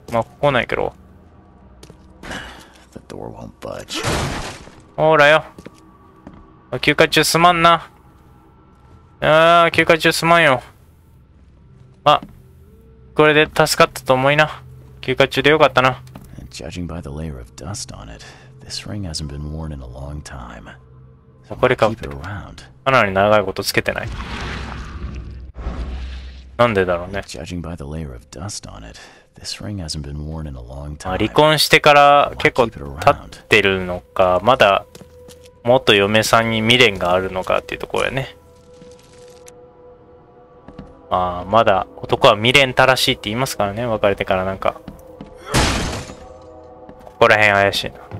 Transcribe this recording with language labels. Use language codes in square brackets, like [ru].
[ja] まあ来ないけど。 [en] The door won't budge. [ja] ほらよ。休暇中すまんな。ああ、休暇中すまんよ。まあ、これで助かったと思いな。休暇中でよかったな。 [en] And judging by the layer of dust on it, this ring hasn't been worn in a long time. [ja] さあ、これかぶってる。かなり長いことつけてない。なんでだろうね。 [en] Judging by the layer of dust on it, this ring hasn't been worn in a long time. [ja] まあ、離婚してから結構経ってるのか、まだ。元嫁さんに未練があるのかっていうところやね。まあまだ男は未練たらしいって言いますからね、別れてからなんか。ここら辺怪しいな。